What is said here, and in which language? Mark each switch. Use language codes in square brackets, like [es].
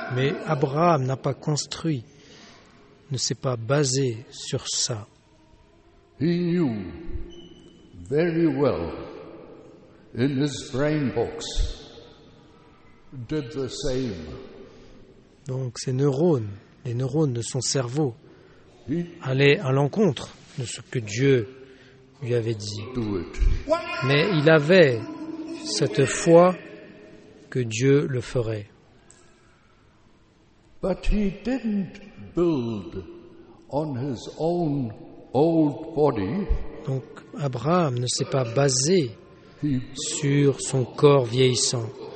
[fr] Mais Abraham n'a pas construit, ne s'est pas basé sur ça. [en] He knew very well in his brain box. Did the same. [fr] Donc ses neurones, les neurones de son cerveau, allaient à l'encontre de ce que Dieu lui avait dit. Mais il avait cette foi que Dieu le ferait. [en] But he didn't build on his own old body. [fr] Donc Abraham ne s'est pas basé sur son corps vieillissant.